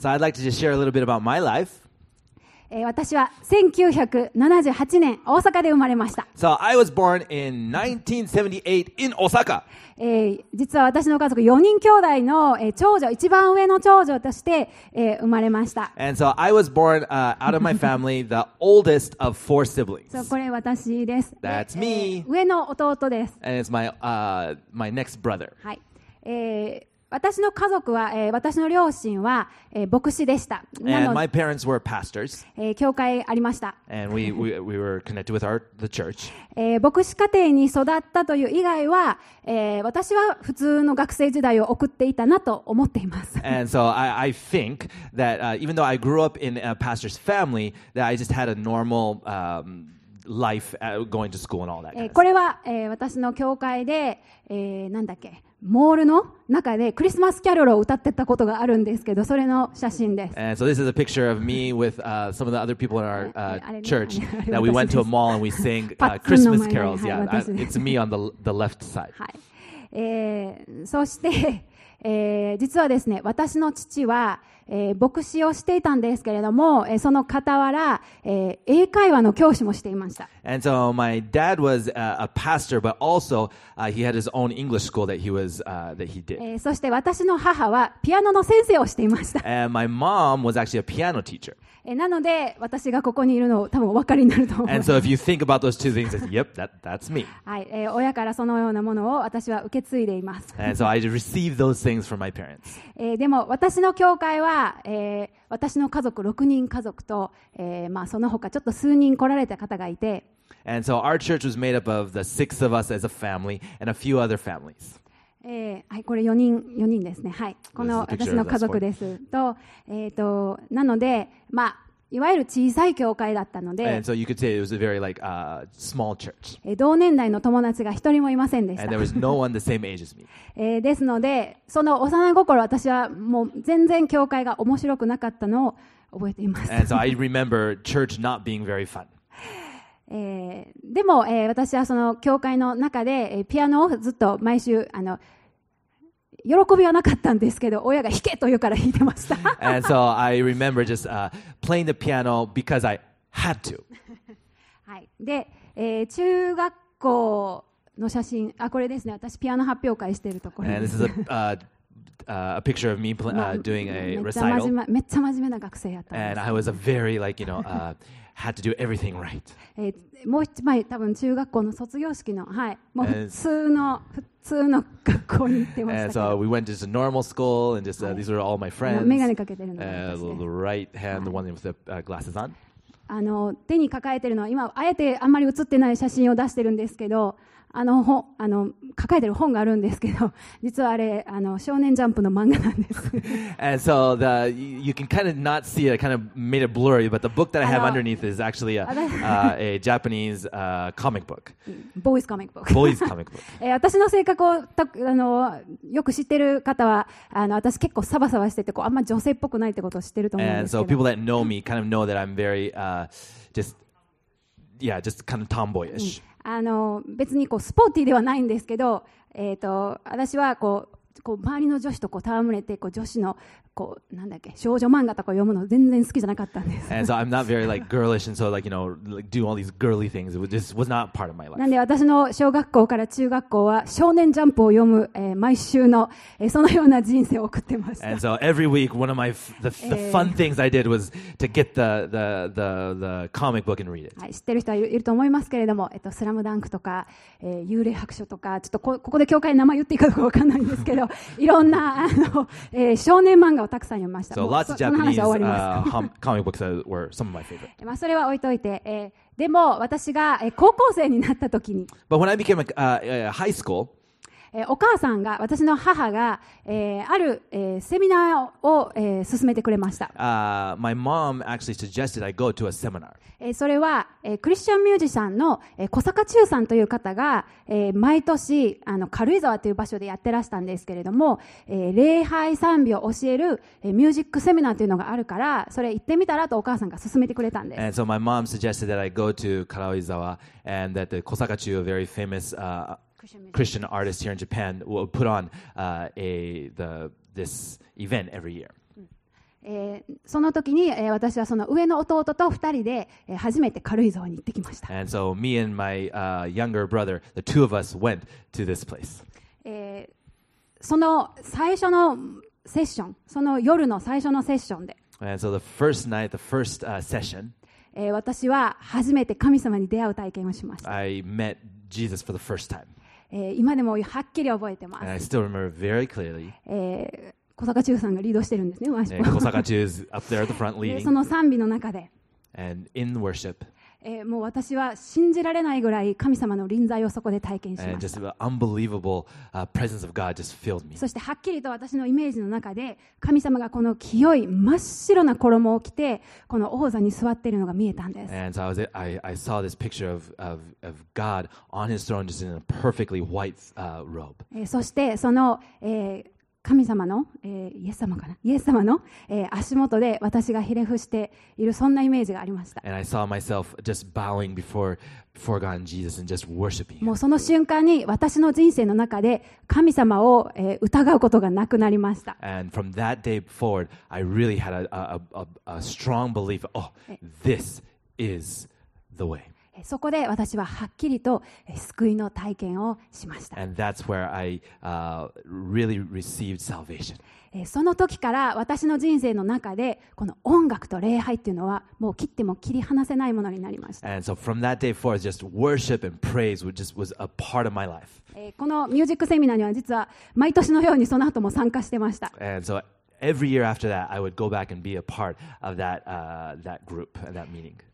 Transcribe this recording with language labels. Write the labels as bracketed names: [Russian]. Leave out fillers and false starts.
[English] So I'd like to just share a little bit about my life. [Japanese] 私は1978年大阪で生まれました。 [English] So I was born in 1978 in Osaka. [Japanese] 実は私の家族4人兄弟の、長女、一番上の長女として、生まれました。 [English] And so I was born, out of my family, the oldest of four siblings. [Japanese] そう、これ私です。 [English] That's me. [Japanese] 上の弟です。 [English] And it's my, my next brother. [Japanese] はい。私の家族は、私の両親は、牧師でした。 [English] And my parents were pastors. [Japanese] 教会ありました。 [English] And we were connected with the church. [Japanese] 牧師家庭に育ったという以外は、私は普通の学生時代を送っていたなと思っています。 [English] And so I think that even though I grew up in a pastor's family, that I just had a normal, life, going to school and all that. [Japanese] これは、私の教会で、なんだっけ。モールの中でクリスマスキャロルを歌ってたことがあるんですけど、それの写真です。 [English] And so this is a picture of me with some of the other people in our church that we went to a mall and we sing Christmas carols. Yeah, it's me on the left side. [Japanese] はい。そして、実はですね、私の父は、牧師をしていたんですけれども、その傍ら、英会話の教師もしていました。 [English] And so my dad was a pastor, but also he had his own English school that he was that he did. [Japanese] そして私の母はピアノの先生をしていました。 [English] And my mom was actually a piano teacher. [Japanese] なので私がここにいるのを多分お分かりになると思います。 [English] And so if you think about those two things, it's, yep, that's me. [Japanese] はい、親からそのようなものを私は受け継いでいます。 [English] And so I received those things from my parents. [Japanese] でも私の教会は私の家族6人家族と、まあ、その他ちょっと数人来られた方がいて、 [English] And so our church was made up of the six of us as a family and a few other families. [Japanese] はい、これ4人ですね。はい、この私の家族ですと、なので、まあ、いわゆる小さい教会だったので、 [English] And so you could say it was a very like a small church. [Japanese] 同年代の友達が一人もいませんでした。 [English] And there was no one the same age as me. [Japanese] ですので、その幼い心、私はもう全然教会が面白くなかったのを覚えています。 [English] And so I remember church not being very fun. [Japanese] でも、私はその教会の中で、ピアノをずっと毎週喜びはなかったんですけど、親が弾けと言うから弾いてました。 [English] And so I remember just playing the piano because I had to. [Japanese] はい。で、中学校の写真、あ、これですね。私ピアノ発表会しているところです。 [English] And this is a picture of me doing a recital. [Japanese] めっちゃ真面目な学生やったんです。 [English] And I was a very like, you know, had to do everything right. [Japanese] もう一枚、多分中学校の卒業式の、はい、もう普通の学校に行ってました。 [English] And so we went to just a normal school, and just these were all my friends. [Japanese] メガネかけてるの。 [English] The right hand, the one with the glasses on. [Japanese] 手に抱えてるのは、今あえてあんまり写ってない写真を出してるんですけど、抱えてる本があるんですけど、実はあれ少年ジャンプの漫画なんです。 [English] And so you can kind of not see it, I kind of made it blurry, but the book that I have underneath is actually a Japanese comic book. Boys comic book. Boys comic book. [Japanese] 私の性格をよく知ってる方は私結構サバサバしててあんま女性っぽくないってことを知ってると思うんですけど。 [English] And so people that know me kind of know that I'm very just kind of tomboyish. [Japanese] 別にこうスポーティーではないんですけど、私はこう周りの女子とこう戯れてこう女子のこうなんだっけ少女漫画とか読むの全然好きじゃなかったんです。 [English] And so I'm not very like girlish and so like you know like doing all these girly things. It just was not part of my life. [Japanese] なんで私の小学校から中学校は少年ジャンプを読む、毎週の、そのような人生を送ってました。 [English] And so every week one of my the fun things I did was to get the comic book and read it. [Japanese] 知ってる人はいると思いますけれども、スラムダンクとか、幽霊白書とかちょっと ここで教会の名前言っていいかどうか分かんないんですけどいろんな少年漫画をたくさん読みました。 [English] So lots of Japanese comic books were some of my favorite. [Japanese] まあそれは置いといて、でも私が、高校生になった時に、 [English] But when I became a high school, [Japanese] お母さんが私の母が、ある、セミナーを、勧めてくれました。 [English] My mom actually suggested I go to a seminar. [Japanese] それは、クリスチャンミュージシャンの、小坂忠さんという方が、毎年軽井沢という場所でやってらしたんですけれども、礼拝賛美を教える、ミュージックセミナーというのがあるからそれ行ってみたらとお母さんが勧めてくれたんです。 [English] And so my mom suggested that I go to Karaoizawa and that the 小坂忠 a very famous Christian artist here in Japan will put on this event every year. [Japanese] その時に、私はその上の弟と二人で、初めて軽井沢に行ってきました。 [English] And so me and my younger brother, the two of us went to this place. [Japanese] その最初のセッション、その夜の最初のセッションで。 [English] And so the first night, the first session, [Japanese] 私は初めて神様に出会う体験をしました。 [English] I met Jesus for the first time. [Japanese] 今でもはっきり覚えてます。 [English] And I still remember very clearly. [Japanese] 小坂忠さんがリードしてるんですね、ワーシップ。 [English] 小坂忠 is up there at the front leading. [Japanese] その賛美の中で。 [English] And in worship. [Japanese] もう私は信じられないぐらい神様の臨在をそこで体験しました。 [English] Just an unbelievable, presence of God just filled me. [Japanese] そしてはっきりと私のイメージの中で神様がこの清い真っ白な衣を着てこの王座に座っているのが見えたんです。 [English] And so I saw this picture of God on his throne just in a perfectly white robe. [Japanese] そしてその、神様の、イエス様かな、イエス様の、足元で私がひれ伏しているそんなイメージがありました。 [English] And I saw myself just bowing before God and Jesus and just worshiping. [Japanese] もうその瞬間に私の人生の中で神様を、疑うことがなくなりました。 [English] And from that day forward, I really had a strong belief, oh, this is the way. [Japanese] そこで私ははっきりと救いの体験をしました。 [English] And that's where I, really received salvation. [Japanese] その時から私の人生の中でこの音楽と礼拝っていうのはもう切っても切り離せないものになりました。 [English] And so from that day forward, just worship and praise just was a part of my life. [Japanese] このミュージックセミナーには実は毎年のようにその後も参加してました。 [English] And so every year after that, I would go back and be a part of that, that group, that meeting.